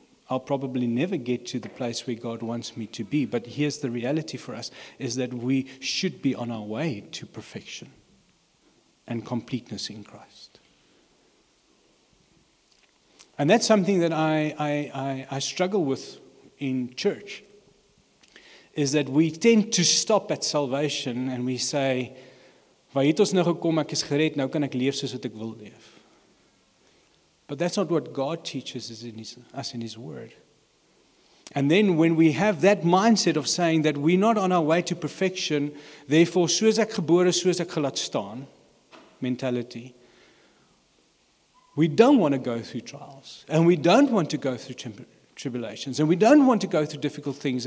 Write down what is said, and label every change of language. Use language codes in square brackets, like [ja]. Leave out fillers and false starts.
[en] I'll probably never get to the place where God wants me to be. But here's the reality for us, is that we should be on our way to perfection and completeness in Christ. And that's something that I struggle with in church, is that we tend to stop at salvation and we say, [af] "Waar het ons nou gekom? Ek is gered, nou kan ek leef soos wat ek wil leef." [en] But that's not what God teaches us in his word. And then when we have that mindset of saying that we're not on our way to perfection, therefore, [af] soos ek gebore, soos ek gelaat staan, [en] mentality, We don't want to go through trials, and we don't want to go through tribulations, and we don't want to go through difficult things.